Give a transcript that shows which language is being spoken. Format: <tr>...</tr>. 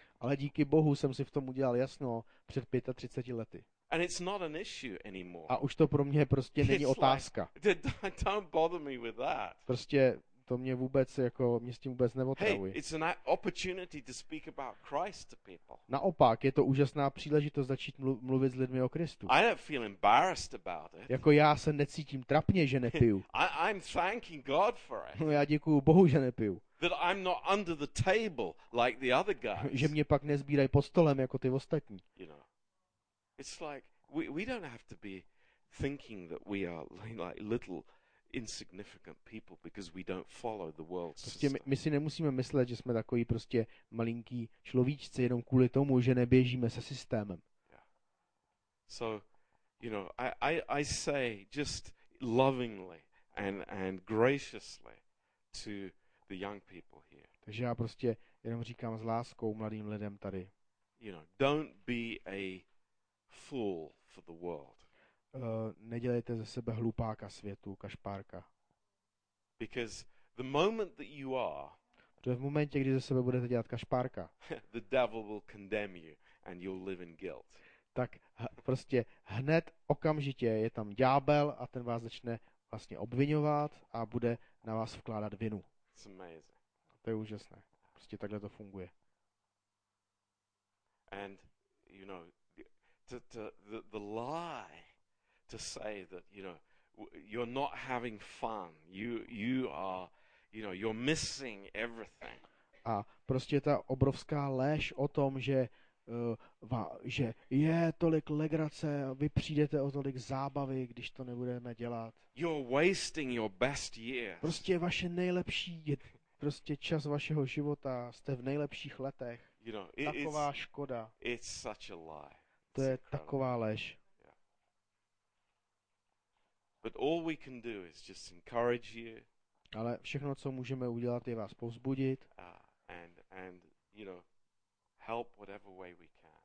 <cs>Ale díky Bohu jsem si v tom udělal jasno před 35 lety.</cs> <en>And it's not an issue anymore.</en> <cs>A už to pro mě prostě není otázka.</cs> <en>Don't bother me with that.</en> <cs>Prostě to mě vůbec jako mě s tím vůbec neotravuje.</cs> <en>Hey, it's an opportunity to speak about Christ to people.</en> <cs>Naopak, je to úžasná příležitost začít mluvit s lidmi o Kristu.</cs> <en>I don't feel embarrassed about it.</en> <cs>Jako já se necítím trapně, že nepiju.</cs> <en>I'm thanking God for it.</en> <cs>No, já děkuju Bohu, že nepiju.</cs> <en>That I'm not under the table like the other guys.</en> <cs>Že mě pak nezbírají pod stolem jako ty ostatní.</cs> <en>You know, it's like we don't have to be thinking that we are like little insignificant people because we don't follow the world system.</en> <cs>Prostě my si nemusíme myslet, že jsme takový prostě malinký človíčci jenom kvůli tomu, že neběžíme se systémem. Yeah.</cs> <en>So, you know, I say just lovingly and graciously to the young people here.</en> <cs>Takže já prostě jenom říkám s láskou mladým lidem tady.</cs> <en>You know, don't be a fool for the world.</en> <cs>Nedělejte ze sebe hlupáka světu, kašpárka.</cs> <en>Because the moment that you are,</en> <cs>protože v momentě, kdy ze sebe budete dělat kašpárka,</cs> <en>the devil will condemn you and you'll live in guilt.</en> <cs>Tak prostě hned okamžitě je tam ďábel a ten vás začne vlastně obvinovat a bude na vás vkládat vinu.</cs> <en>It's amazing.</en> <cs>To je úžasné. Prostě takhle to funguje.</cs> <en>And you know, the lie to say that you know you're not having fun, you are, you know, you're missing everything.</en> <cs>A prostě ta obrovská lež o tom, že že je tolik legrace, vy přijdete o tolik zábavy, když to nebudeme dělat.</cs> <en>You're wasting your best years.</en> <cs>Prostě vaše nejlepší, prostě čas vašeho života, jste v nejlepších letech.</cs> <en>You know,</en> <cs>taková škoda.</cs> <en>It's such a lie. It's</en> <cs>to je incredible. Taková lež.</cs> <en>But all we can do is just encourage you.</en> <cs>Ale všechno, co můžeme udělat, je vás povzbudit.</cs> <en>And you know, help whatever way we can.</en>